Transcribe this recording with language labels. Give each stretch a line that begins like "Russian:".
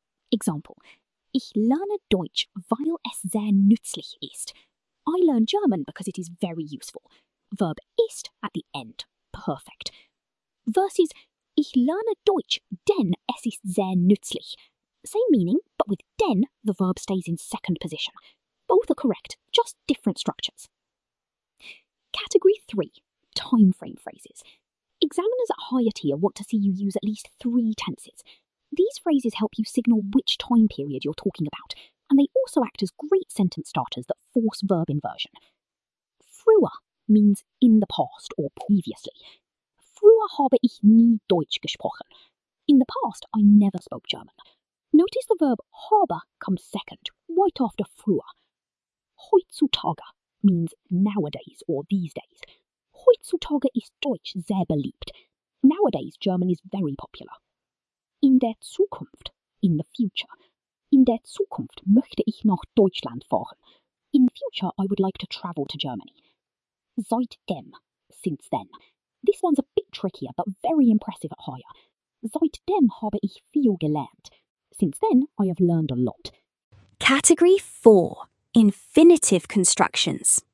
English: Example,
German: ich lerne Deutsch, weil es sehr nützlich ist.
English: I learn German because it is very useful. Verb ist at the end. Perfect. Versus,
German: ich lerne Deutsch, denn es ist sehr nützlich.
English: Same meaning, but with denn, the verb stays in second position. Both are correct, just different structures. Category three, time frame phrases. Examiners at higher tier want to see you use at least three tenses. These phrases help you signal which time period you're talking about, and they also act as great sentence starters that force verb inversion. Früher means in the past or previously.
German: Früher habe ich nie Deutsch gesprochen.
English: In the past, I never spoke German. Notice the verb habe comes second, right after früher. Heutzutage means nowadays or these days.
German: Heutzutage ist Deutsch sehr beliebt.
English: Nowadays, German is very popular.
German: In der Zukunft,
English: in the future.
German: In der Zukunft möchte ich nach Deutschland fahren.
English: In the future, I would like to travel to Germany. Seitdem, since then. This one's a bit trickier, but very impressive at higher.
German: Seitdem habe ich viel gelernt.
English: Since then, I have learned a lot. Category 4. Infinitive constructions.